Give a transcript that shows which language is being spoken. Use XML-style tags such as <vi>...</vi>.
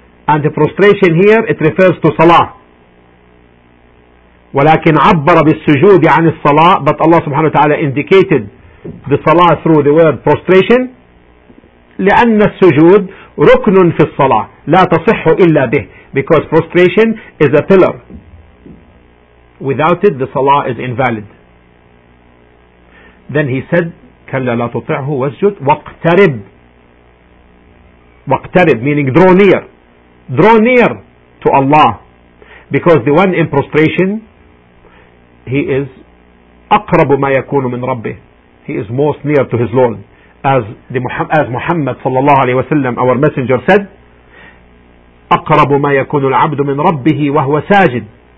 <en>And the prostration here, it refers to salah.</en> <ar>ولكن عبر بالسجود عن الصلاة,</ar> <en>but Allah subhanahu wa ta'ala indicated the salah through the word prostration,</en> <ar>لأن السجود ركن في الصلاة لا تصح إلا به,</ar> <en>because prostration is a pillar, without it the salah is invalid. Then he said</en> <ar>كلا لا تطعه واسجد واقترب.</ar> <en>واقترب meaning draw near, draw near to Allah, because the one in prostration he is</en> <ar>أقرب ما يكون من ربه,</ar> <en>he is most near to his Lord, as Muhammad صلى الله عليه وسلم our messenger said</en> <ar>أقرب ما يكون العبد من ربه وهو ساجد,</ar>